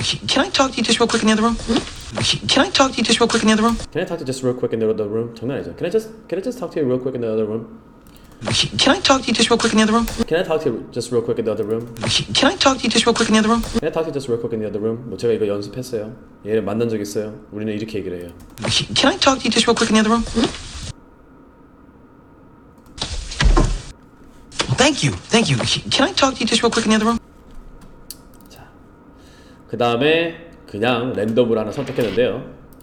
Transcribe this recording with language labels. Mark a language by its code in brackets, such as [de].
[en] Can I talk to you just real quick in the other room? Can I talk to you just real quick in the other room? Can I talk to you just real quick in the other room? [ko] 장난이죠. [en] Can I just talk to you real quick in the other room? Can I talk to you just real quick in the other room? Can I talk to you just real quick in the other room? Can I talk to you just real quick in the other room? Can I talk to you just real quick in the other room? [ko] 뭐 제가 이거 연습했어요. 얘를 만난 적 있어요. 우리는 이렇게 얘기를 해요. [en] Can I talk to you just real quick in the other room? Thank you, thank you. Can I talk to you just real quick in the other room? [ko] 그 다음에 그냥 랜덤으로 하나 선택했는데요.